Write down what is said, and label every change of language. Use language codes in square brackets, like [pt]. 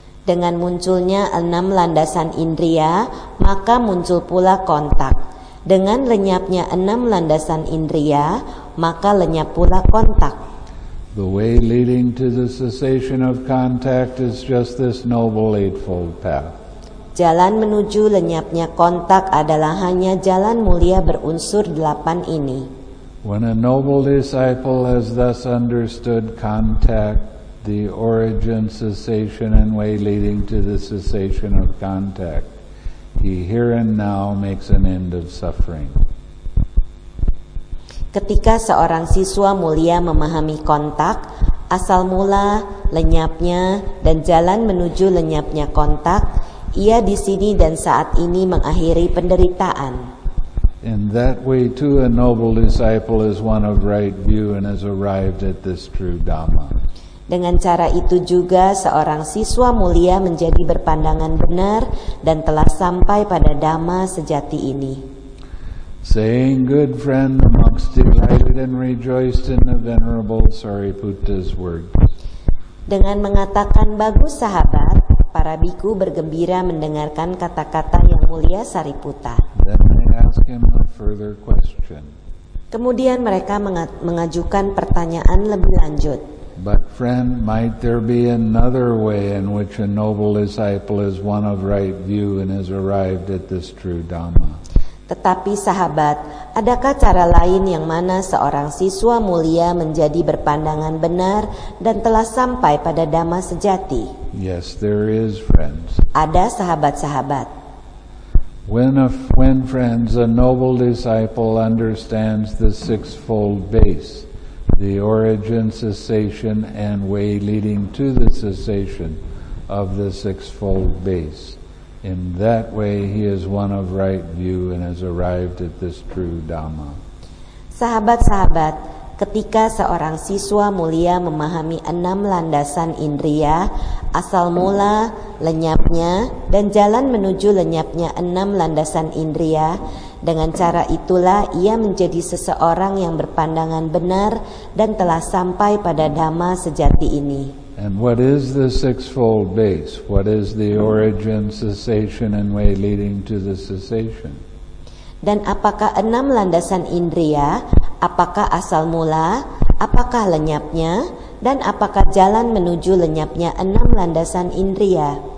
[id] Dengan munculnya enam landasan indria, maka muncul pula kontak. Dengan lenyapnya enam landasan indria, maka lenyap pula kontak. [en] The way leading to the cessation of contact is just this noble eightfold path. [id] Jalan menuju lenyapnya kontak adalah hanya jalan mulia berunsur delapan ini. [en] When a noble disciple has thus understood contact, the origin, cessation, and way leading to the cessation of contact, he here and now makes an end of suffering. [id] Ketika seorang siswa mulia memahami kontak, asal mula, lenyapnya, dan jalan menuju lenyapnya kontak, ia di sini dan saat ini mengakhiri penderitaan. [en] In that way too, a noble disciple is one of right view and has arrived at this true Dhamma. [id] Dengan cara itu juga, seorang siswa mulia menjadi berpandangan benar dan telah sampai pada Dhamma sejati ini. [en] Saying good friend, the monks delighted and rejoiced in the venerable Sariputta's words. [id] Dengan mengatakan bagus sahabat, para bhikkhu bergembira mendengarkan kata-kata yang mulia Sariputta. [en] Then they ask him a further question. [id] Kemudian mereka mengajukan pertanyaan lebih lanjut. [en] But friend, might there be another way in which a noble disciple is one of right view and has arrived at this true Dhamma? [id] Tetapi sahabat, adakah cara lain yang mana seorang siswa mulia menjadi berpandangan benar dan telah sampai pada Dhamma sejati? [en] Yes, there is, friends. [id] Ada sahabat-sahabat. [en] When friends, a noble disciple understands the sixfold base, the origin, cessation, and way leading to the cessation of the sixfold base. In that way, he is one of right view and has arrived at this true Dhamma. [id] Sahabat-sahabat, ketika seorang siswa mulia memahami enam landasan indria, asal mula, lenyapnya, dan jalan menuju lenyapnya enam landasan indria, dengan cara itulah ia menjadi seseorang yang berpandangan benar dan telah sampai pada Dhamma sejati ini. [en] And what is the sixfold base? What is the origin, cessation, and way leading to the cessation? [id] Dan apakah enam landasan indria? Apakah asal mula? Apakah lenyapnya? Dan apakah jalan menuju lenyapnya enam landasan indria?